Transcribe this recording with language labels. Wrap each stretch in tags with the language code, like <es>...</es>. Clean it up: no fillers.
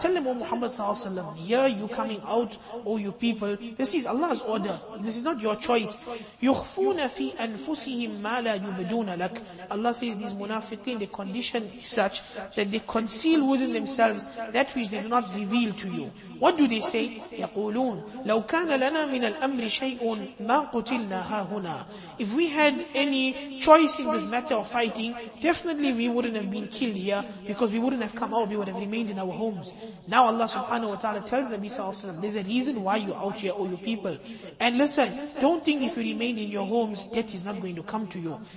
<en>Tell them, O Muhammad sallallahu alayhi wa sallam, here you coming out, O you people, this is Allah's order. This is not your choice.</en> <ar>يُخْفُونَ فِي أَنفُسِهِمْ مَا لَا يُبْدُونَ لَكَ.</ar> <en>Allah says these munafiqeen, the condition is such that they conceal within themselves that which they do not not revealed to you. What do they say?</en> <ar>يقولون لو كان لنا من الأمر شيء ما قتلنا هاهنا.</ar> <en>If we had any choice in this matter of fighting, definitely we wouldn't have been killed here, because we wouldn't have come out, we would have remained in our homes. Now Allah subhanahu wa ta'ala tells Nabi sallallahu alayhi wa sallam, there's a reason why you're out here, all you people. And listen, don't think if you remain in your homes, death is not going to come to you.</en>